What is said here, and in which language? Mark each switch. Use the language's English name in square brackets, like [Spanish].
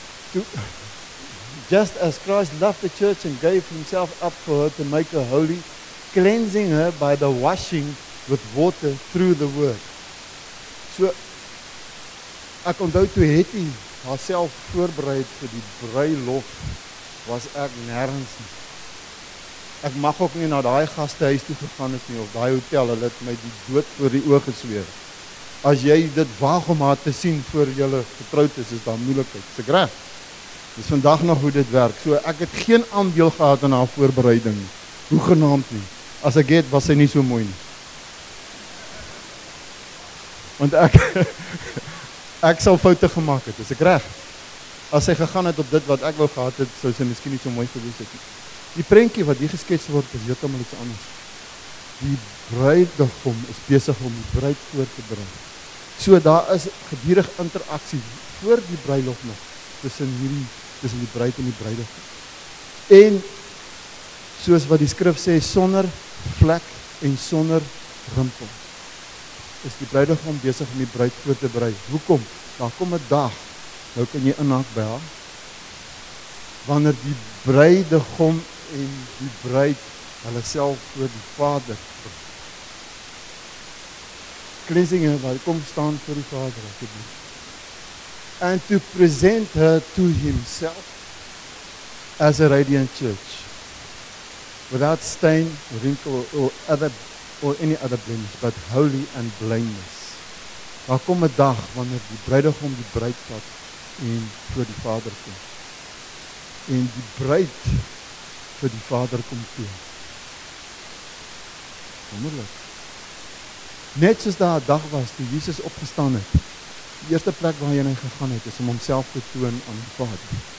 [Afrikaans] Toe, [English] just as Christ loved the church and gave himself up for her to make her holy, cleansing her by the washing with water through the word. [Afrikaans] So, ek onthou toe het hy haarself voorbereid vir die bruiloft, was ek nergens nie. Ek mag ook nie na die gastehuis toe gegaan het nie, of die hotel, hulle het my die dood voor die oog gesweer. As jy dit waag om haar te sien voor julle getrouwd is, is daar moeilikheid. Sy graag. Dis vandag nog hoe dit werk. So ek het geen aandeel gehad in haar voorbereiding, hoegenaamd nie. As ek het, was sy nie so mooi nie. Want ek sal foute gemaak het, is ek reg? As sy gegaan het op dit wat ek wou gehad het, sou sy miskien nie so mooi gewees het. Die prentjie wat hier geskets word, is heeltemal iets anders. Die bruidegom is besig om die bruid voor te bring. So daar is gedurig interaksie voor die bruiloft nog, tussen die bruid en die bruidegom. En soos wat die skrif sê, sonder vlek en sonder rimpel, is die bruidegom besig om die bruid voor te berei. Hoekom? Daar kom 'n dag, nou kan jy inhaak by haar, wanneer die bruidegom en die bruid hulle self voor die Vader bring. Cleansinge, waar kom staan voor die Vader, as jy doen. [English] And to present her to himself as a radiant church. Without stain, wrinkle, or any other blemish, but holy and blameless. [Afrikaans] Daar kom 'n dag wanneer die bruidegom die bruid vat en voor die Vader kom. En die bruid vir die Vader kom toe. Wonderlik. Net soos daar 'n dag was toe Jesus opgestaan het, die eerste plek waar hy gegaan het, is om homself te toon aan die Vader.